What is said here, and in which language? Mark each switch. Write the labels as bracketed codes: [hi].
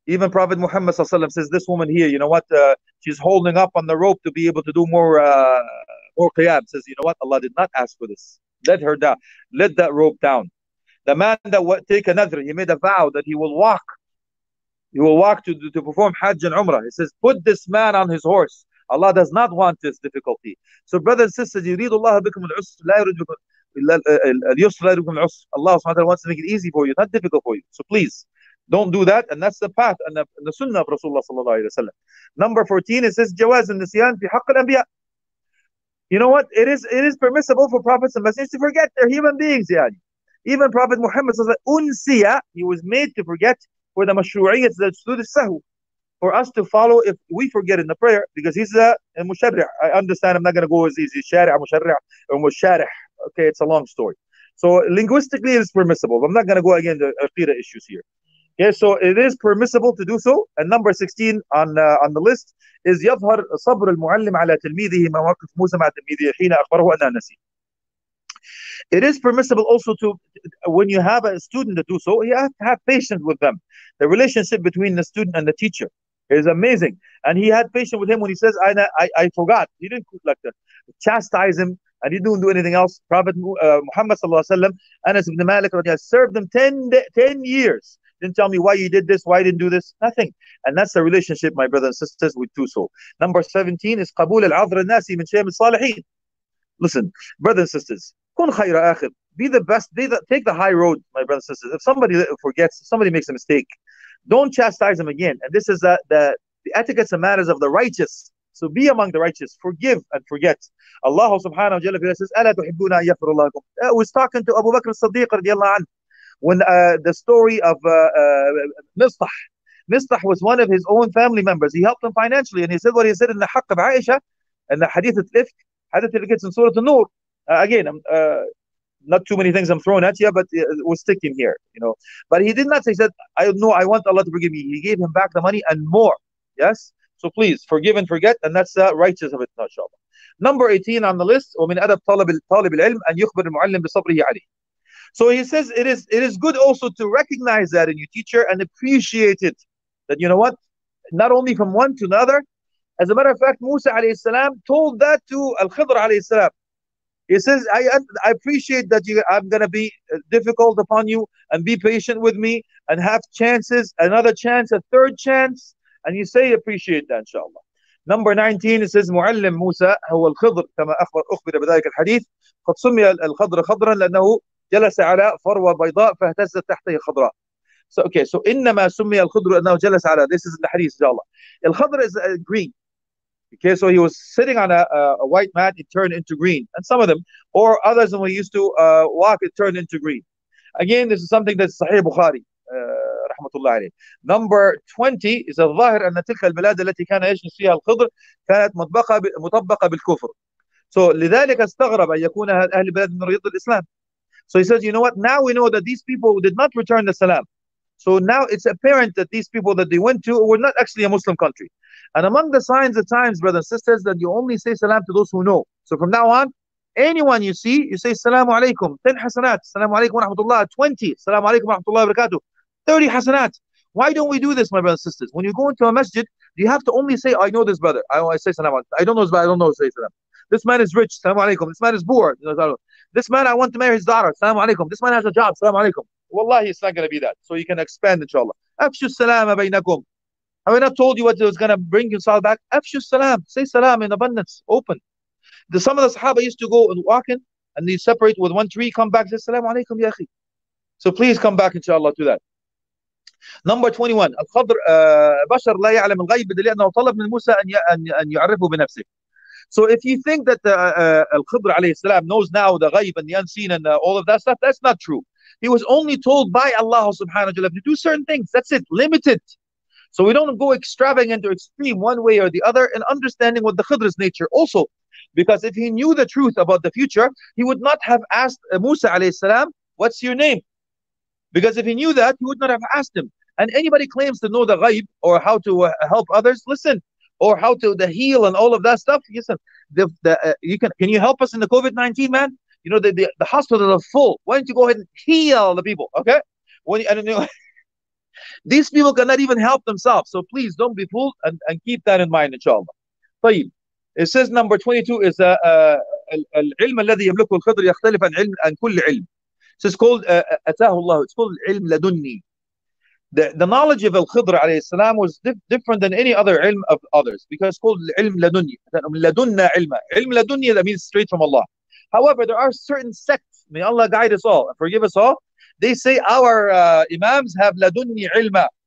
[en] Even Prophet Muhammad sallallahu alaihi wasallam says, this woman here, you know what, she's holding up on the rope to be able to do more qiyam. Says, you know what, Allah did not ask for this. Let her down. Let that rope down. The man that take a nadr, he made a vow that he will walk. He will walk to perform Hajj and Umrah. He says, put this man on his horse. Allah does not want this difficulty. So brothers and sisters, [ar] يريد الله بكم العسر لا يريد بكم اليسر لا يريد بكم العسر. [en] Allah subhanahu wa ta'ala wants to make it easy for you, not difficult for you. So please. Don't do that, and that's the path and the sunnah of Rasulullah sallallahu alayhi wa sallam. Number 14, it says, [ar] جواز النسيان في حق الأنبياء. [en] You know what? It is permissible for prophets and messengers to forget. They're human beings, [ar] يعني. [en] Even Prophet Muhammad says, unsiya, he was made to forget for the mashru'iyyat that's through the sahu, for us to follow if we forget in the prayer, because he's a mushari'. I understand I'm not going to go as easy. Shari'a, mushari'a, or musharih. Okay, it's a long story. So linguistically, it is permissible. But I'm not going to go again to aqidah issues here. Yeah, so it is permissible to do so. And number 16 on the list is [ar] يظهر صبر المعلم على تلميذه ما وقف موسى مع تلميذه حين أخبره أنه نسي. [en] It is permissible also to, when you have a student to do so, you have to have patience with them. The relationship between the student and the teacher is amazing. And he had patience with him when he says, I forgot. He didn't cook like that. Chastise him. And he didn't do anything else. Prophet Muhammad sallallahu alayhi wa sallam, Anas ibn Malik radiyallahu anhu, served him 10 years. Didn't tell me why you did this, why you didn't do this, nothing. And that's the relationship, my brothers and sisters, with two souls. Number 17 is [ar] قبول العذر الناسي من شيم الصالحين. [en] Listen, brothers and sisters, [ar] كن خير آخر. [en] Be the best, take the high road, my brothers and sisters. If somebody forgets, if somebody makes a mistake, don't chastise them again. And this is the etiquettes and manners of the righteous. So be among the righteous, forgive and forget. Allah subhanahu wa ta'ala says, [ar] أَلَا تُحِبُّونَ أَن يَغْفِرَ اللَّهُ لَكُمْ. [en] I was talking to Abu Bakr as-Siddiq radiallahu anhu. When the story of Mistah was one of his own family members. He helped him financially. And he said what he said in the Haqq of Aisha, in the Hadith of Ifk, Hadith of Ifk in Surah An-Nur. Again, not too many things I'm throwing at you, but it was sticking here. You know. But he did not say, he said, I know, I want Allah to forgive me. He gave him back the money and more. Yes? So please, forgive and forget. And that's righteous of it, inshallah. Number 18 on the list, [ar] وَمِنْ أَدَبْ طَالِبِ الْعِلْمِ أَنْ يُخْبِرِ الْمُعَلِّمِ بِصَبْرِهِ عَلِيهِ. [en] So he says it is good also to recognize that in your teacher and appreciate it. That you know what? Not only from one to another. As a matter of fact, Musa alayhi salam told that to Al-Khidr alayhi salam. He says, I appreciate that I'm going to be difficult upon you, and be patient with me, and have chances, another chance, a third chance. And you say, appreciate that, inshallah. Number 19, it says, [ar] مُعَلِّم مُوسَى هُوَ الْخِضْرِ كَمَا أَخْبِرَ بِذَلِكَ الْحَدِيثِ قَدْ سُمِّيَ الْخَضْرَ خَضْرًا لَأَنَّهُ جَلَسَ عَلَى فَرْوَى بَيْضَاءَ فَهْتَزَّتْ تَحْتَهِ خَضْرًا. [en] So, okay, so [ar] إِنَّمَا سُمِّيَ الْخِضْرُ أَنَّهُ جَلَسَ عَلَى. [en] This is in the hadith, inshallah. Al-Khadr is green. Okay, so he was sitting on a white mat, it turned into green. And some of them, or others when we used to walk, it turned into green. Again, this is something that's Sahih Bukhari. Number 20 is [ar] الظاهر أن تلك البلاد التي كان يجلس فيها الخضر كانت مطبقة بالكفر. [en] So [ar] لذلك استغرب أن يكون أهل بلاد من رياض الإسلام. [en] So he says, you know what? Now we know that these people did not return the salam. So now it's apparent that these people that they went to were not actually a Muslim country. And among the signs of times, brothers and sisters, that you only say salam to those who know. So from now on, anyone you see, you say salamu alaykum. 10 حسنات. Salamu alaykum wa rahmatullah. 20. Salamu alaykum wa rahmatullah wa barakatuh. 30 hasanat. Why don't we do this, my brothers and sisters? When you go into a masjid, you have to only say, I know this brother. I say salam. I don't know this brother. I don't know say salam. This man is rich. Salam alaikum. This man is poor. This man, I want to marry his daughter. Salam alaikum. This man has a job. Salam alaikum. Wallahi, it's not going to be that. So you can expand, inshallah. Afshu salam abaynakum. Have I not told you what it was going to bring you salam back? Afshu salam. Say salam in abundance. Open. Some of the sahaba used to go and walk in, and they separate with one tree, come back, say salam alaikum, ya akhi. So please come back, inshallah, to that. Number 21, [ar] الخضر بشر لا يعلم الغيب لأنه طلب من موسى أن يعرفه بنفسه. [en] So if you think that الخضر عليه السلام knows now the غيب and the unseen and all of that stuff, that's not true. He was only told by Allah subhanahu wa ta'ala to do certain things. That's it, limited. So we don't go extravagant or extreme one way or the other in understanding what the khidr's nature also. Because if he knew the truth about the future, he would not have asked Musa alayhi salam, what's your name? Because if he knew that, he would not have asked him. And anybody claims to know the ghaib or how to help others, listen. Or how to heal and all of that stuff, listen. Can you help us in the COVID-19, man? You know, the hospitals are full. Why don't you go ahead and heal the people, okay? These people cannot even help themselves. So please, don't be fooled and keep that in mind, inshallah. [ar] طيب. [en] It says number 22 is [ar] العلم الذي يملكه الخضر يختلف عن علم عن كل علم. [en] So it's called أتاه الله. It's called علم لدني. The knowledge of الخضر عليه السلام was different than any other علم of others because it's called علم لدني. [ar] لدنا علم. [en] علم لدني, that means straight from Allah. However, there are certain sects. May Allah guide us all and forgive us all. They say our imams have لدني علم.